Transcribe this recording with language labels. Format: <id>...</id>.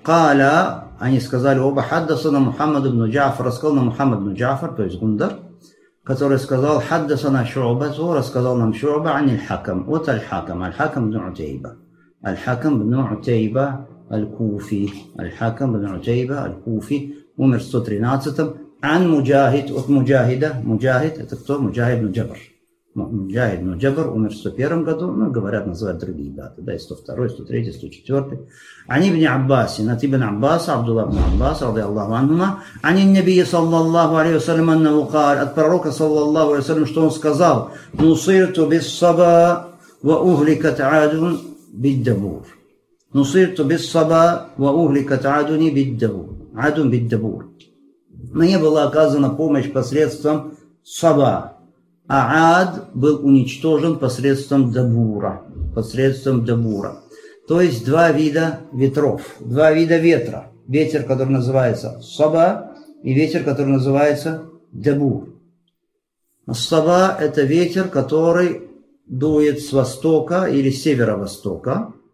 <ru>Каля, они сказали, оба хаддасана Мухаммад ибн Джафар, рассказал нам Мухаммад ибн Джафар, то есть Гундар, который сказал, хаддасана Шуъба, то рассказал нам Шуъба, ан аль-Хакам, вот аль-Хакам, аль-Хакам ибн Утейба. Аль-Хакам ибн Утейба, аль-Куфи, аль-Хакам ибн Утейба, аль-Куфи, умер в 113-м.</ru> <ar>عن مجاهد</ar> <ru>от مجاهده مجاهد это кто مجاهد بن جبر مجاهد بن جبر умер в 101 году но говорят называют другие даты да и 102 103 104</ru> <ar>عن ابن عباس عن ابن عباس عبد الله بن عباس رضي الله عنهما عن النبي صلى الله عليه وسلم انه قال</ar> <ru>от пророка</ru> <ar>صلى الله عليه وسلم</ar> <ru>что он сказал</ru> <ar>نصيرت بالصبا واهلكت عاد بالدبور نصيرت بالصبا واهلكت عاد بالدبور عاد بالدبور</ar> <ru>Мне была оказана помощь посредством Саба, а Ад был уничтожен посредством Дабура. Посредством Дабура. То есть два вида ветров, два вида ветра. Ветер, который называется Саба, и ветер, который называется Дабур. Саба – это ветер, который дует с востока или с северо-востока.</ru>